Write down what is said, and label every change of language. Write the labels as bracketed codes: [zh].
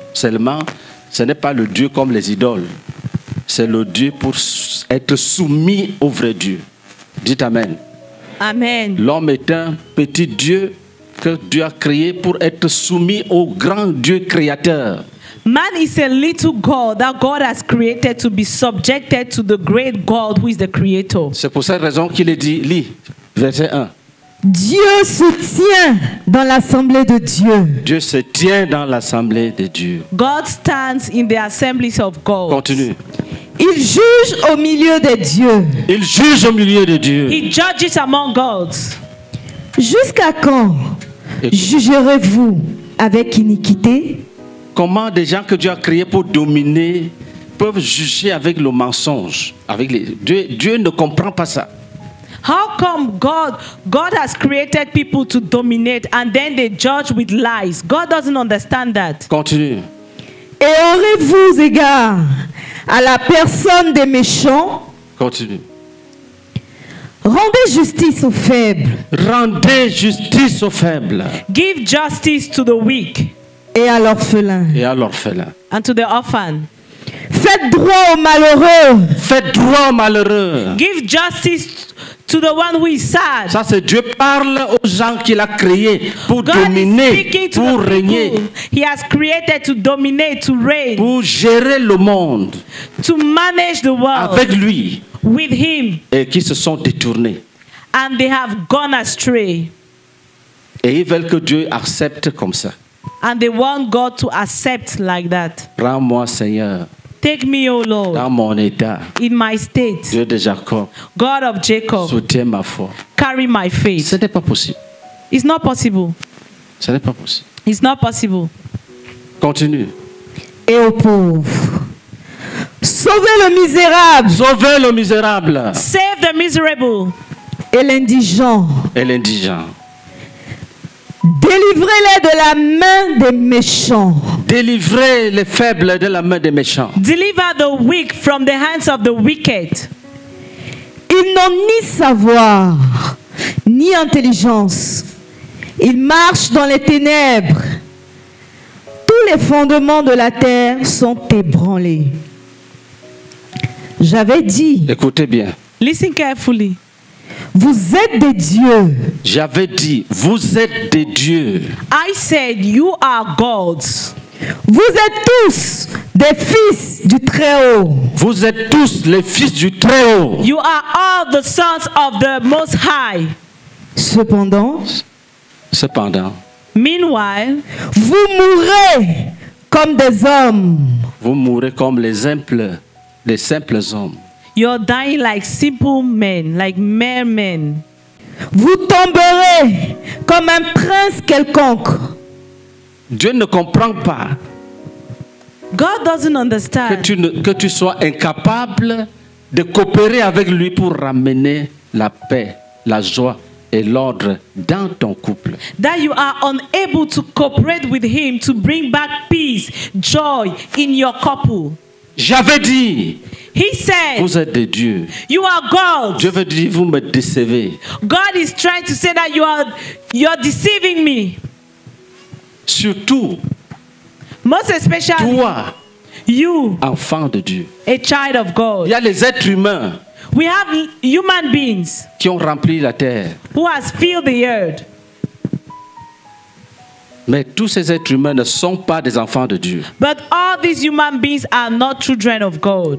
[fr] Seulement, ce n'est pas le Dieu comme les idoles. C'est le Dieu pour être soumis au vrai Dieu. Dites Amen. Amen. L'homme est un petit Dieu que Dieu a créé pour être soumis au grand Dieu créateur. [en] Man is a little God that God has created to be subjected to the great God who is the creator. [fr] C'est pour cette raison qu'il est dit, lis, verset 1. Dieu se tient dans l'assemblée de Dieu. Dieu se tient dans l'assemblée de Dieu. [en] God stands in the assemblies of God. [fr] Continue. Il juge au milieu des dieux. Il juge au milieu des dieux. [en] He judges among gods. [fr] Jusqu'à quand jugerez-vous avec iniquité? Comment des gens que Dieu a créés pour dominer peuvent juger avec le mensonge? Avec les... Dieu ne comprend pas ça. [en] How come God has created people to dominate and then they judge with lies? God doesn't understand that. [fr] Continue. Et aurez-vous égard à la personne des méchants? Continue. Rendez justice aux faibles. Rendez justice aux faibles. [en] Give justice to the weak. [fr] Et à l'orphelin. Et à l'orphelin. [en] And to the orphan. [fr] Faites droit aux malheureux. Faites droit aux malheureux. [en] Give justice to the one who is sad. [fr] Ça c'est Dieu parle aux gens qu'il a créés pour [en] God [fr] dominer, pour régner. [en] He has created to dominate, to reign. [fr] Pour gérer le monde. [en] To manage the world. [fr] Avec lui. [en] With him. [fr] Et qui se sont détournés. [en] And they have gone astray. [fr] Et ils veulent que Dieu accepte comme ça. [en] And they want God to accept like that. [fr] Prends-moi, Seigneur. [en] Take me, O Lord. [fr] Dans mon état. [en] In my state. [fr] Dieu de Jacob. [en] God of Jacob. [fr] Soutiens ma foi. [en] Carry my faith. [fr] Ce n'est pas possible. [en] It's not possible. [fr] Ce n'est pas possible. [en] It's not possible. [fr] Continue. Et aux pauvres. Sauvez le misérable. Sauvez le misérable. [en] Save the miserable. [fr] Et l'indigent. Et l'indigent. Délivrez-les de la main des méchants. Délivrez les faibles de la main des méchants. [en] Deliver the weak from the hands of the wicked. [fr] Ils n'ont ni savoir, ni intelligence. Ils marchent dans les ténèbres. Tous les fondements de la terre sont ébranlés. J'avais dit. Écoutez bien. [en] Listen carefully. [fr] Vous êtes des dieux. J'avais dit, vous êtes des dieux. [en] I said, you are gods. [fr] Vous êtes tous des fils du Très-Haut. Vous êtes tous les fils du Très-Haut. [en] You are all the sons of the Most High. [fr] Cependant. [en] Meanwhile. [fr] Vous mourrez comme des hommes. Vous mourrez comme les simples hommes. [en] You're dying like simple men, like mere men. [fr] Vous tomberez comme un prince quelconque. Dieu ne comprend pas. [en] God doesn't understand. [fr] Que tu sois incapable de coopérer avec lui pour ramener la paix, la joie et l'ordre dans ton couple. [en] That you are unable to cooperate with him to bring back peace, joy in your couple. [fr] J'avais dit. [en] He said, [fr] vous êtes des dieux. [en] You are gods. [fr] Dieu veut dire vous me décevez. [en] God is trying to say that you are deceiving me. [fr] Surtout. [en] Most especially. [fr] Toi. [en] You. [fr] Enfant de Dieu. [en] A child of God. [fr] Il y a les êtres humains. [en] We have human beings. [fr] Qui ont rempli la terre. [en] Who has filled the earth. [fr] Mais tous ces êtres humains ne sont pas des enfants de Dieu. [en] But all these human beings are not children of God.